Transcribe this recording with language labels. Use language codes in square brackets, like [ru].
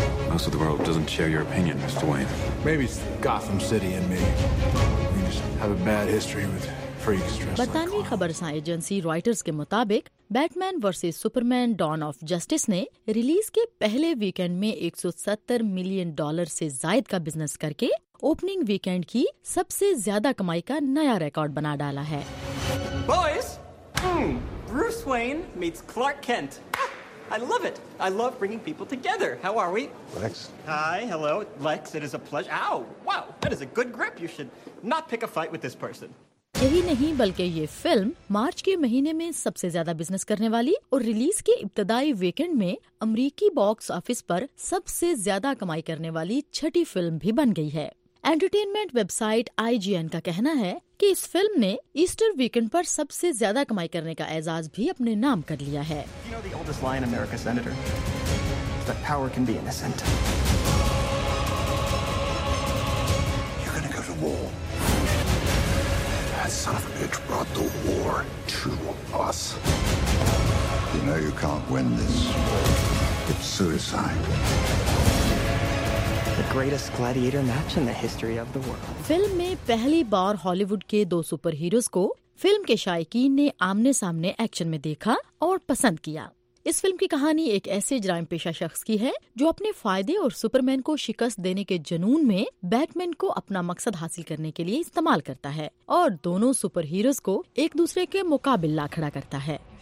[en] Most of the world doesn't share your opinion, Mr. Wayne. Maybe it's Gotham City and me. We just have a bad history with freaks. [ur] برطانوی خبرساں agency writers کے مطابق bat main versus Superman Dawn of justice نے release کے پہلے weekend میں $170 million سے زائد کا بزنس کر کے اوپننگ ویکینڈ کی سب سے زیادہ کمائی کا نیا ریکارڈ بنا ڈالا ہے۔ [en] Boys, Bruce Wayne meets Clark Kent. I love it. I love bringing people together. How are we? Lex. Hi, hello. Lex, it is a pleasure. Ow, wow, that is a good grip. You should not pick a fight with this person. [ur] یہی نہیں بلکہ یہ film March کے مہینے میں سب سے زیادہ business کرنے والی اور ریلیز کے ابتدائی ویکینڈ میں امریکی باکس آفس پر سب سے زیادہ کمائی کرنے والی چھٹی فلم بھی بن گئی ہے۔ انٹرٹینمنٹ ویب سائٹ IGN کا کہنا ہے کہ اس فلم نے ایسٹر ویکینڈ پر سب سے زیادہ کمائی کرنے کا اعزاز بھی اپنے نام کر لیا ہے۔ [en] That son of a bitch brought the war to us. You know you can't win this. It's suicide. The greatest gladiator match in the history of the world. [ur] Film میں پہلی بار ہالی ووڈ کے دو سپر ہیروز کو film کے شائقین نے آمنے سامنے ایکشن میں دیکھا اور پسند کیا۔ اس فلم کی کہانی ایک ایسے جرائم پیشہ شخص کی ہے جو اپنے فائدے اور سپرمین کو شکست دینے کے جنون میں بیٹ مین کو اپنا مقصد حاصل کرنے کے لیے استعمال کرتا ہے اور دونوں سپر ہیروز کو ایک دوسرے کے مقابل لا کھڑا کرتا ہے۔